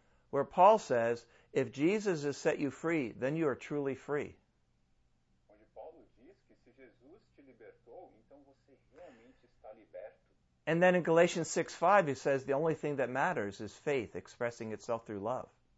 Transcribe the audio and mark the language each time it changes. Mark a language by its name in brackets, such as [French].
[English] where Paul says, if Jesus has set you free, then you are truly free. [Portuguese] Onde Paulo diz que se Jesus te libertou, então você realmente está liberto. [English] And then in Galatians 6:5, he says, the only thing that matters is faith expressing itself through love.